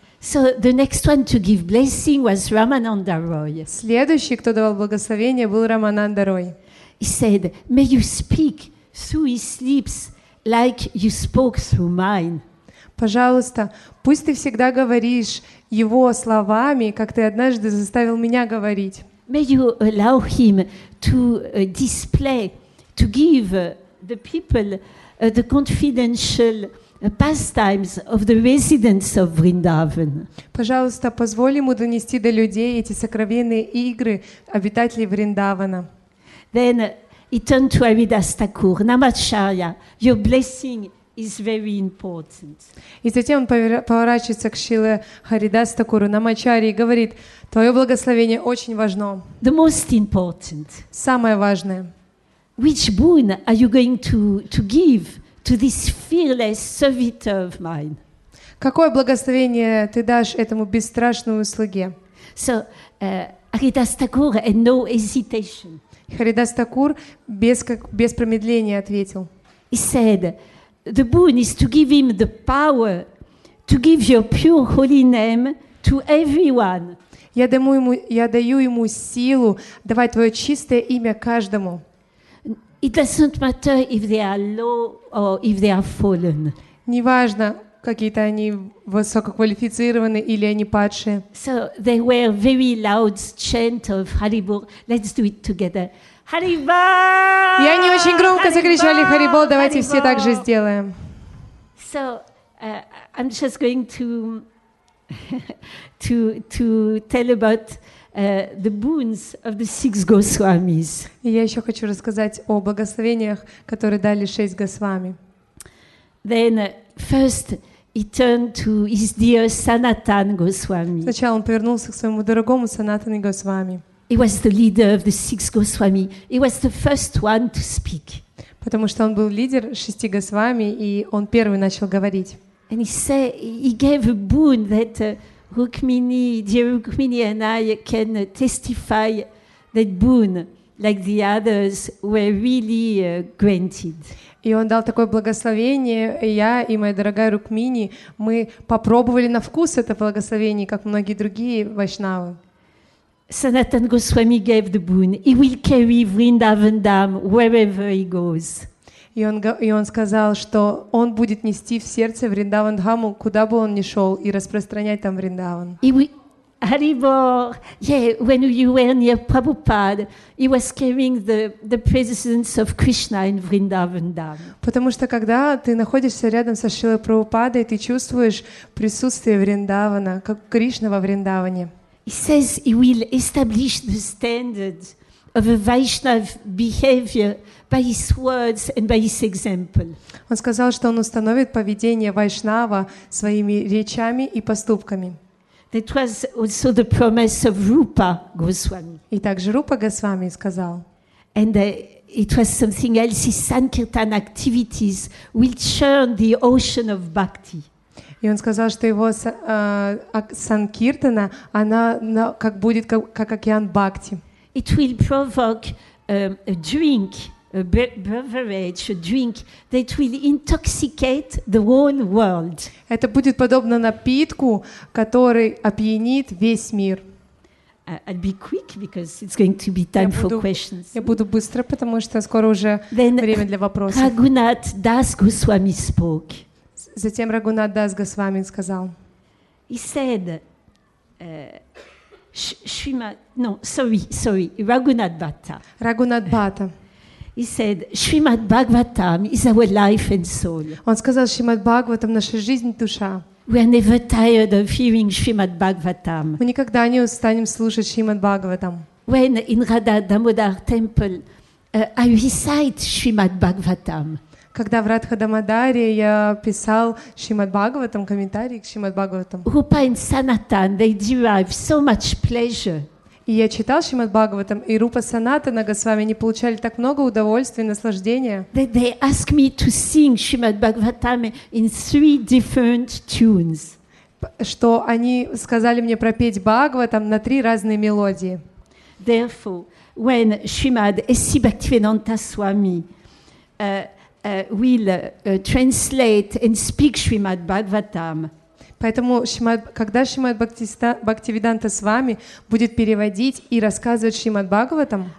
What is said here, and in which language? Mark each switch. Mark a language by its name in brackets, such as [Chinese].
[English] So the next one to give blessing was Ramananda Roy. [Russian] Следующий, кто давал благословение, был Рамананда Рой. [English] He said, "May you speak through his lips like you spoke through mine." [Russian] Пожалуйста, пусть ты всегда говоришь его словами, как ты однажды заставил меня говорить. [English] May you allow him to display, to give the people the confidential pastimes of the residents of Vrindavan. [Russian] Пожалуйста, позволь ему донести до людей эти сокровенные игры обитателей Вриндавана. [English] Then he turned to Haridas Thakur, Namacharya, your blessing is very important. [Russian] И затем он поворачивается к Шиле Харидас Такуру Намачарье и говорит: твое благословение очень важно. [English] The most important. [Russian] Самое важное. [English] Which boon are you going to give to this fearless servant of mine? [Russian] Какое благословение ты дашь этому бесстрашному слуге? [English] So, Haridas Thakur had no hesitation. [Russian] Haridas Thakur без промедления ответил. [English] He said, "The boon is to give him the power to give your pure holy name to everyone." [Russian] Я даю ему силу давать твое чистое имя каждому. [English] It doesn't matter if they are low or if they are fallen. [Russian] Неважно, какие-то они высококвалифицированные или они падшие. [English] So there were very loud chant of Haribol. Let's do it together. Haribol! [Russian] И они очень громко Haribol! Закричали Haribol, давайте Haribol! Все так же сделаем. [English] So I'm just going to tell about the boons of the six Goswamis. [Russian] И я еще хочу рассказать о благословениях, которые дали шесть Госвами. [English] Then first he turned to his dear Sanatan Goswami. [Russian] Сначала он повернулся к своему дорогому Санатан Госвами. [English] He was the leader of the six Goswami. He was the first one to speak. [Russian] Потому что он был лидер шести Госвами, и он первый начал говорить. [English] And he gave a boon that Rukmini, dear Rukmini and I can testify that boon like the others were really granted. [Russian] И он дал такое благословение, и я и моя дорогая Рукмини, мы попробовали на вкус это благословение, как многие другие вайшнавы. [English] Sanatan Goswami gave the boon. He will carry Vrindavan Dham wherever he goes. [Russian] И он сказал, что он будет нести в сердце Вриндаван Дхаму, куда бы он ни шел, и распространять там Вриндаван. [English] Haribol, yeah, when you were near Prabhupada, he was carrying the presence of Krishna in Vrindavan Dham. [Russian] Потому что когда ты находишься рядом со Шрилой Прабхупадой, ты чувствуешь присутствие Вриндавана, как Кришна во Вриндаване. [English] He says he will establish the standard of a Vaishnava behavior by his words and by his example. [Russian] Он сказал, что он установит поведение вайшнава своими речами и поступками. [English] That was also the promise of Rupa Goswami. [Russian] И также Рупа Госвами сказал. [English] And it was something else. His sankirtan activities will churn the ocean of bhakti. [Russian] И он сказал, что его санкиртана, она как будет как океан бхакти. [English] It will provoke a beverage, a drink that will intoxicate the whole world. [Russian] Это будет подобно напитку, который опьянит весь мир. [English] I'll be quick because it's going to be time for questions. [Russian] Я буду быстро, потому что скоро уже время для вопросов. [English] Then Raghunath Das Goswami spoke. [Russian] Затем Рагунат Дас Госвами сказал. [English] He said, Raghunath Bhatta. Raghunath Bhatta. He said, "Shrimad Bhagavatam is our life and soul." [Russian] Он сказал, Шримад Бхагаватам наша жизнь, душа. [English] We are never tired of hearing Shrimad Bhagavatam. [Russian] Мы никогда не устанем слушать Шримад Бхагаватам. [English] When in Radha Damodar Temple, I recite Shrimad Bhagavatam. [Russian] Когда в Радха-Дамодаре я писал Шримад Бхагаватам, комментарий к Шримад Бхагаватам. [English] Rupa and Sanatan, they derive so much pleasure. [Russian] И я читал Шримад Бхагаватам, и Рупа Санатана Госвами, они получали так много удовольствия и наслаждения. [English] That they ask me to sing Shrimad Bhagavatam in three different tunes. [Russian] Что они сказали мне пропеть Бхагаватам на три разные мелодии. [English] Therefore, when Shrimad S.C. Bhaktivedanta Swami will translate and speak Shrimad Bhagavatam. [Russian] Поэтому, когда Шримад Бхактивиданта с вами будет переводить и рассказывать Шримад Бхагаватам,